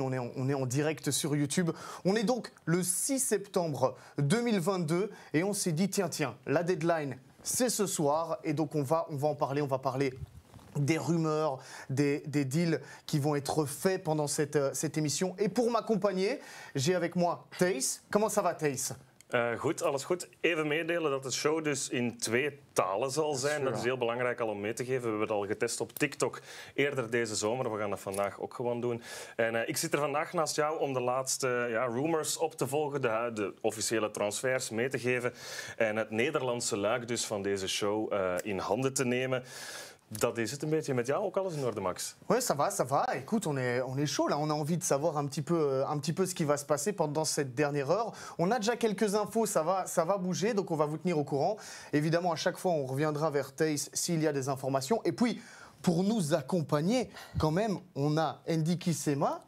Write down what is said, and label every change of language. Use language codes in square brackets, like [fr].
[fr] On est en direct sur YouTube. On est donc le 6 septembre 2022 et on s'est dit tiens, la deadline c'est ce soir et donc on va en parler, on va parler des rumeurs, des deals qui vont être faits pendant cette émission. Et pour m'accompagner, j'ai avec moi Thijs. Comment ça va Thijs? [nl] Goed, alles goed. Even meedelen dat de show dus in twee talen zal zijn. Dat is heel belangrijk al om mee te geven. We hebben het al getest op TikTok eerder deze zomer. We gaan dat vandaag ook gewoon doen. En ik zit er vandaag naast jou om de laatste rumors op te volgen. De officiële transfers mee te geven. En het Nederlandse luik dus van deze show in handen te nemen. Dat is het een beetje met jou, ook alles in orde, Max? [fr] Ouais, ça va. Écoute, on est chaud là. On a envie de savoir un petit peu ce qui va se passer pendant cette dernière heure. On a déjà quelques infos, ça va bouger, donc on va vous tenir au courant. Évidemment, à chaque fois, on reviendra vers Thijs s'il y a des informations. Et puis, pour nous accompagner, quand même, on a Andy Kissema.